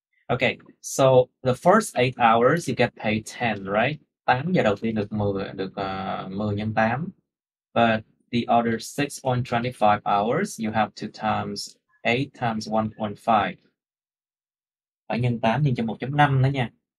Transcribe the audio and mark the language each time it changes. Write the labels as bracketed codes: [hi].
[en] Okay, so the first 8 hours you get paid 10, right? [vi] 8 giờ đầu tiên được 10 được 10 nhân 8. [en] But the other 6.25 hours you have to times 8 times 1.5. [vi] Phải nhân 8 nhân cho 1.5 nữa nha.